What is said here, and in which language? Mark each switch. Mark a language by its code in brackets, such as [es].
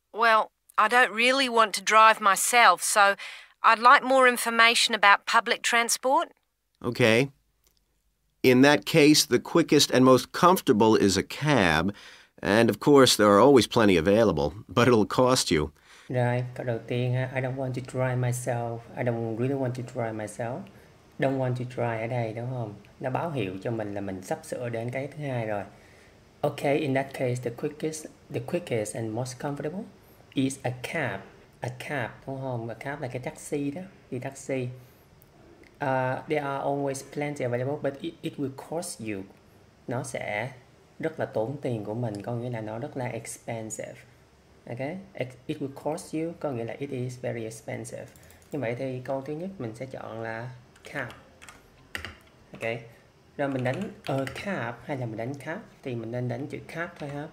[en] Well, I don't really want to drive myself, so I'd like more information about public transport. Okay. In that case, the quickest and most comfortable is a cab, and of course there are always plenty available, but it'll cost you. Right, [vi] cái đầu tiên, [en] I don't want to drive myself. I don't really want to drive myself. Don't want to drive [vi] ở đây, đúng không? Nó báo hiệu cho mình là mình sắp sửa đến cái thứ hai rồi. [en] Okay, in that case, the quickest and most comfortable is a cab. A cab, [vi] đúng không? [en] A cab [vi] là cái taxi đó, đi taxi. [en] There are always plenty available, but it will cost you. [vi] Nó sẽ rất là tốn tiền của mình, có nghĩa là nó rất là expensive. [en] Okay, it will cost you, [vi] có nghĩa là [en] it is very expensive. [vi] Như vậy thì câu thứ nhất mình sẽ chọn là cab. Okay, rồi mình đánh a cab hay là mình đánh cab thì mình nên đánh chữ cab thôi ha.